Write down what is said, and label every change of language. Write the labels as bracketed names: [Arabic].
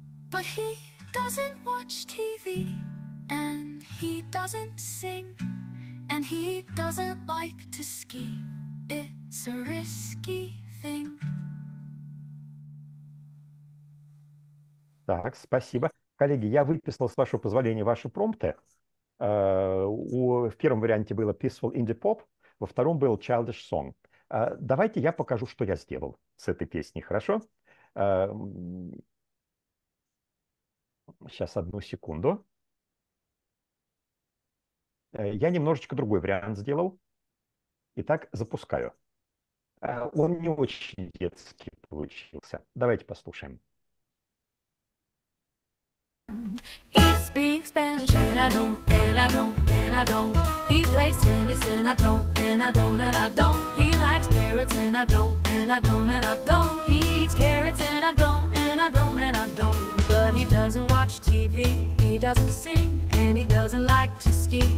[English] But he doesn't watch TV, and he doesn't sing. And he doesn't like to ski, it's a risky thing. [Russian] Так, спасибо. Коллеги, я выписал, с вашего позволения, ваши промпты. В первом варианте было Peaceful Indie Pop, во втором был Childish Song. Давайте я покажу, что я сделал с этой песней, хорошо? Сейчас, одну секунду. Я немножечко другой вариант сделал. Итак, запускаю. Он не очень детский получился. Давайте послушаем. [English] He speaks Spanish and I don't, and I don't, and I don't. He plays tennis and I don't, and I don't. He likes carrots and I don't, and I don't, and I don't. He eats carrots and I don't, and I don't, and I don't. But he doesn't watch TV, he doesn't sing, and he doesn't like to ski.